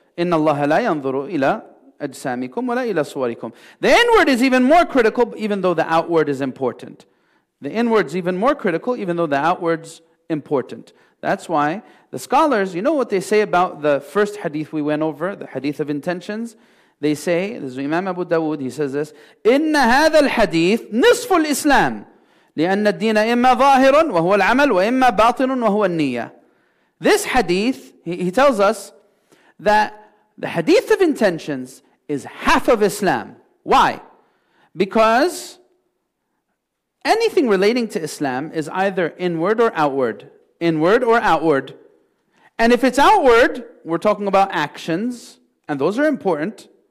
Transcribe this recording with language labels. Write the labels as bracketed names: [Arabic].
[Arabic] إِنَّ اللَّهَ لَا يَنْظُرُ إِلَىٰ أَجْسَامِكُمْ وَلَا إِلَىٰ صُوَرِكُمْ. [English] The inward is even more critical, even though the outward is important. The inward is even more critical, even though the outward's important. That's why the scholars, you know what they say about the first hadith we went over, the hadith of intentions? They say, this is Imam Abu Dawood, he says this, [Arabic] إِنَّ هَذَا الْحَدِيثِ نِصْفُ الْإِسْلَامِ لِأَنَّ الدِّينَ إِمَّا ظَاهِرٌ وَهُوَ الْعَمَلُ وَإِمَّا بَاطِنٌ وَهُوَ النِّيَّةِ. [English] This hadith, he tells us that the hadith of intentions is half of Islam. Why? Because anything relating to Islam is either inward or outward. Inward or outward. And if it's outward, we're talking about actions, and those are important.